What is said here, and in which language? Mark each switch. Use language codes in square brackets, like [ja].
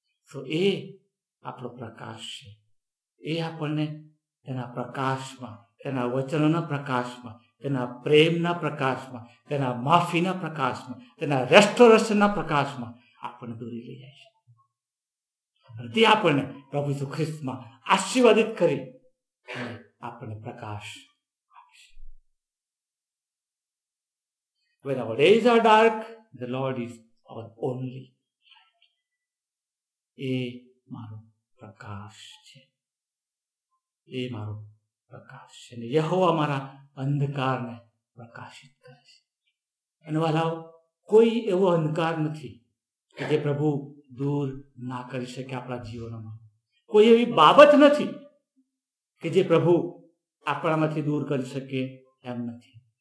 [gu] તો એ આપણો પ્રકાશ છે, એ આપણને તેના પ્રકાશમાં, તેના વચનોના પ્રકાશમાં, તેના પ્રેમના પ્રકાશમાં, તેના માફીના પ્રકાશમાં, તેના રેસ્ટોરેશનના પ્રકાશમાં આપણને દોરી લઈ જાય છે. તે આપણને પ્રભુ યેસુ ખ્રિસ્તમાં આશીર્વાદિત કરી આપણને પ્રકાશ આપશે. [en] When our days are dark, the Lord is our only light. [gu] એ મારો પ્રકાશ છે, એ મારો પ્રકાશ છે, અને યહોવા મારા અંધકારને પ્રકાશિત કરે છે. અને વાલાઓ, કોઈ એવો અંધકાર નથી કે જે પ્રભુ દૂર ના કરી શકે આપણા જીવનમાં, કોઈ એવી બાબત નથી કે જે પ્રભુ આપણામાંથી દૂર કરી શકે એમ નથી.